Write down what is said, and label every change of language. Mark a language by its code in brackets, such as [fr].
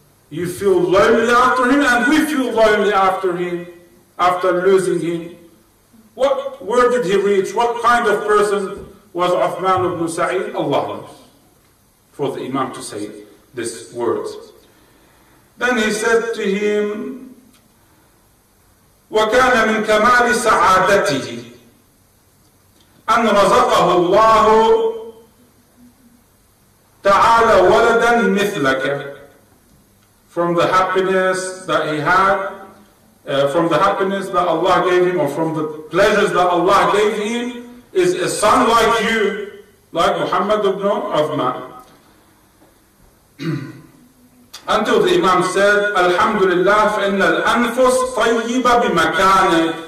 [en] You feel lonely after him and we feel lonely after him, after losing him. What, where did he reach? What kind of person was Uthman ibn Sa'id? Allah knows. For the Imam to say this word. Then he said to him, [ar] وَكَانَ مِنْ كَمَالِ سَعَادَتِهِ أَنْ رَزَقَهُ اللَّهُ تَعَالَ وَلَدًا مِثْلَكَ. [en] From the happiness that he had, from the happiness that Allah gave him, or from the pleasures that Allah gave him, is a son like you, like Muhammad ibn Uthman. Until the Imam said, Alhamdulillah, [ar] فَإِنَّ الْأَنْفُسْ طَيِّبَ بِمَكَانِ.